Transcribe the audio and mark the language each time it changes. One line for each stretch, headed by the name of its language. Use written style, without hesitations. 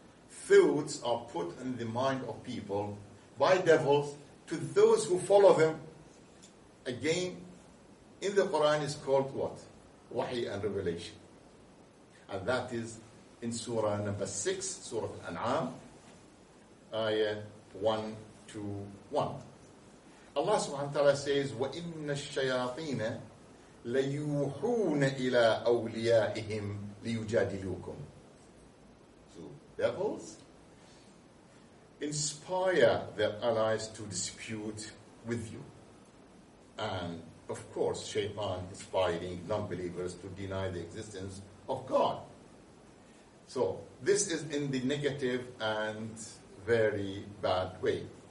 English: Thoughts are put in the mind of people by devils to those who follow them. Again, in the Quran is called what? Wahi and revelation. And that is in Surah number 6, Surah Al-An'am, Ayah 1-1. Allah subhanahu wa ta'ala says,
Arabic: وَإِنَّ الشَّيَاطِينَ لَيُوحُونَ إِلَىٰ أَوْلِيَائِهِمْ لِيُجَادِلُوكُمْ.
English: So, devils inspire their allies to dispute with you. And, of course, shaitan inspiring non-believers to deny the existence of God. So, this is in the negative and very bad way.